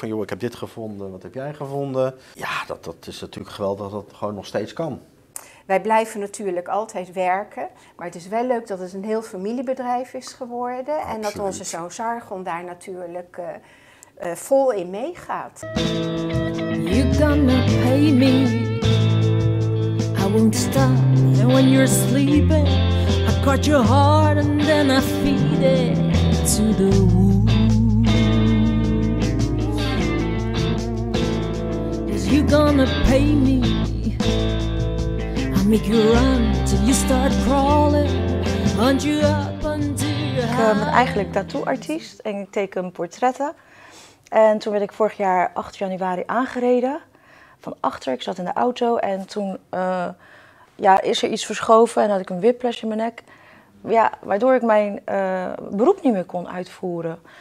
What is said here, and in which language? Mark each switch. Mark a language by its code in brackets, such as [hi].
[nl] Van joh, ik heb dit gevonden, wat heb jij gevonden? Ja, dat is natuurlijk geweldig dat dat gewoon nog steeds kan. Wij blijven natuurlijk altijd werken, maar het is wel leuk dat het een heel familiebedrijf is geworden. Absoluut. En dat onze zoon Sargon daar natuurlijk vol in meegaat. [en] You're gonna pay me. I won't stop. And when you're sleeping, I'll got your heart and then I feed it to the wolves. Is you gonna pay me? I'll make you run till you start crawling. Hunt you up until you have. [nl] Ik ben eigenlijk tattooartiest en ik teken portretten. En toen werd ik vorig jaar 8 januari aangereden. Van achter, ik zat in de auto en toen is er iets verschoven en had ik een whiplash in mijn nek. Ja, waardoor ik mijn beroep niet meer kon uitvoeren.